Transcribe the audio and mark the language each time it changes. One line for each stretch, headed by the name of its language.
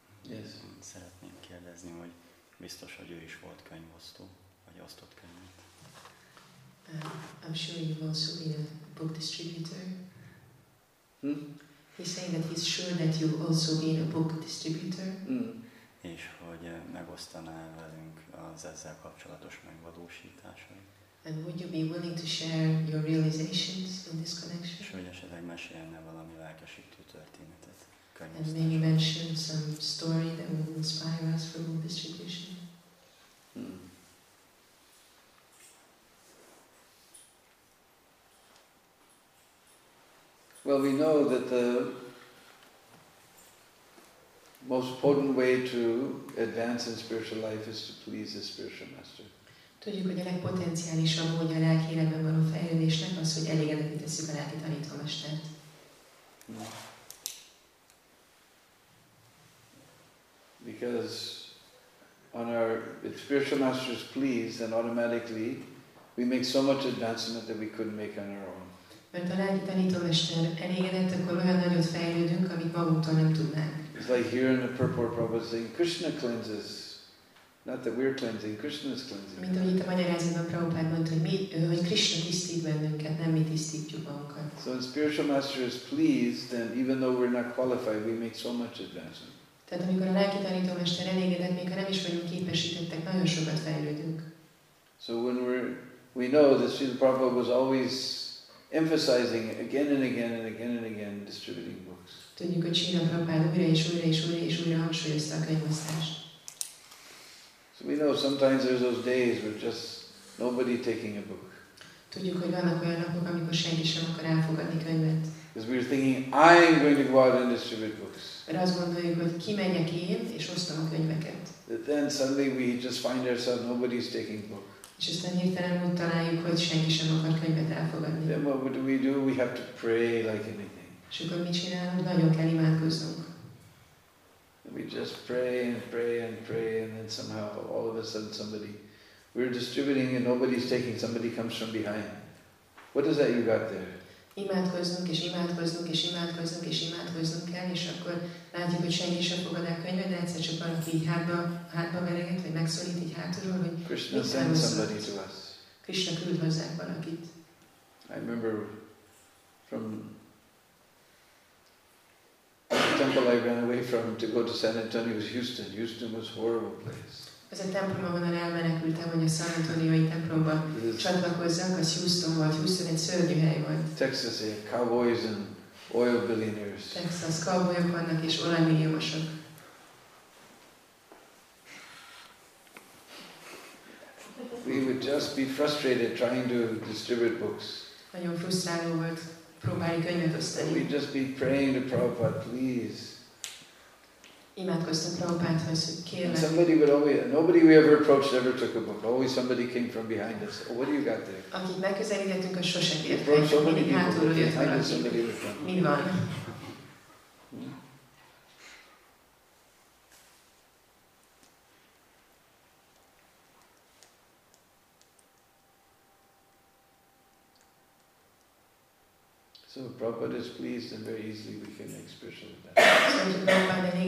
English: Yes.
Hungarian: Szeretném kérdezni, hogy biztos, hogy ő is volt könyvosztó, vagy osztott könyvet.
English: I'm sure he was also a book distributor. He's saying that he's sure that you also been a book distributor.
Hungarian: És hogy megosztaná velünk az ezzel kapcsolatos megvalósításait.
English: And would you be willing to share your realizations in this connection?
Hungarian: És hogy esetleg mesélne valami lelkesítő történetet.
English: And maybe mention some story that will inspire us for book distribution. Well, we know that the most potent way to advance in spiritual life is to please the spiritual master.
Hungarian: Tudjuk, hogy a legpotenciálisabb módja a lelki életben való fejlődésnek az, hogy elégedetté tesszük a lelki tanítómestert.
English: Because on our, if spiritual master is pleased, then automatically we make so much advancement that we couldn't make on our own.
Hungarian: Mert a lelki tanítómester elégedett, akkor olyan nagyot fejlődünk, amit magunktól nem tudnánk.
English: It's like here in the purport, Prabhupada saying, Krishna cleanses. Not that we're cleansing, Krishna is cleansing.
Hungarian: Mint ahogy itt a magyarázatban Prabhupada mondta, hogy Krishna tisztít bennünket, nem mi tisztítjuk magunkat.
English: So if spiritual master is pleased, then even though we're not qualified, we make so much advancement.
Hungarian: Tehát amikor a lelki tanítómester elégedett, még ha nem is vagyunk képesítettek, nagyon sokat fejlődünk.
English: So when we're we know that Srila Prabhupada was always emphasizing again and again and again and again distributing books.
Hungarian: Tudjuk, hogy Srila Prabhupada újra és újra és újra és újra hangsúlyozta a könyvosztást.
English: So we know sometimes there's those days where just nobody taking a book.
Hungarian: Tudjuk, hogy vannak olyan napok, amikor senki sem akar elfogadni könyvet.
English: Because we're thinking, I'm going to go out and distribute books.
Hungarian: Mert azt gondoljuk, hogy kimegyek én, és osztom a könyveket.
English: But then suddenly we just find ourselves, nobody's taking book.
Hungarian: És aztán hirtelen úgy találjuk, hogy senki sem akar könyvet elfogadni.
English: Then what do? We have to pray like anything.
Hungarian: És akkor mit csinálunk? Nagyon kell imádkozzunk.
English: We just pray and pray and pray, and then somehow all of a sudden somebody, we're distributing and nobody's taking, somebody comes from behind. What is that you got there?
Hungarian: Imádkozzunk és imádkozzunk és imádkozzunk és imádkozzunk el, és akkor látjuk, hogy senki sem fogad el könyvet, de egyszer csak valaki így hátba vereget, vagy megszólít így hátulról, hogy
English: Krishna send somebody to us.
Hungarian: Krishna küld hozzánk valakit.
English: I remember from the temple I ran away from to go to San Antonio was Houston. Houston was a horrible place.
Hungarian: Az a templomban elmenekültem, hogy a San Antonio-i templomba csatlakozzak, az Houston volt, Houston egy szörnyű hely volt.
English: Texas, cowboys and oil billionaires.
Hungarian: Texas, cowboyok vannak és olajmilliómosok.
English: We would just be frustrated trying to distribute books.
Hungarian: Nagyon frusztráló volt próbálni könyvet osztani.
English: We'd just be praying to Prabhupada, please.
Hungarian: Imádkoztam Prabhupádhoz, hogy kérlek.
English: Somebody would always, nobody we ever approached ever took a book. Always somebody came from behind us. Oh, what do you got there?
Hungarian: Akit megközelítettünk, az sose kért. Mindig hátulról jött valaki. Mi van?
English: So Prabhupada is pleased and very easily we can express all that.